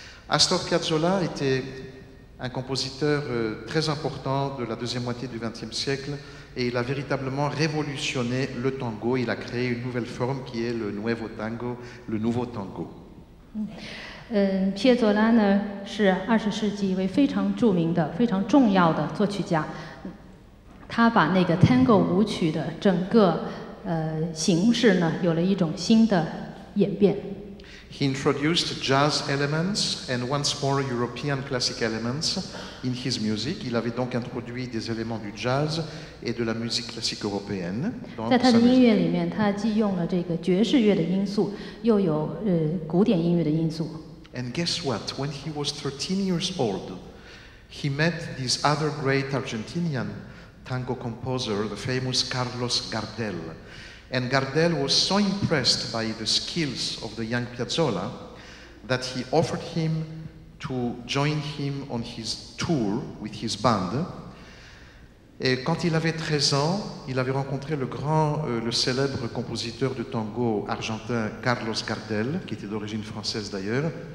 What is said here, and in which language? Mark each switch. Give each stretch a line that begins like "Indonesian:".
French: Astor Piazzolla était un compositeur très important de la deuxième moitié du XXe siècle et il a véritablement révolutionné le tango. Il a créé une nouvelle forme qui est le nuevo tango, le nouveau tango.
Chinese: 嗯，皮耶佐拉呢是二十世纪一位非常著名的、非常重要的作曲家。他把那个 Tango 舞曲的整个形式呢，有了一种新的演变。
English: He introduced jazz elements and once more European classic elements in his music.
French: Il avait donc introduit des éléments du jazz et de la musique classique européenne.
Chinese: 在他的音乐里面，他既用了这个爵士乐的因素，又有古典音乐的因素。
English: And guess what? When he was 13 years old, he met this other great Argentinian tango composer, the famous Carlos Gardel. And Gardel was so impressed by the skills of the young Piazzolla that he offered him to join him on his tour with his band.
French: Et quand il avait 13 ans, il avait rencontré le célèbre compositeur de tango argentin Carlos Gardel, qui était d'origine française d'ailleurs.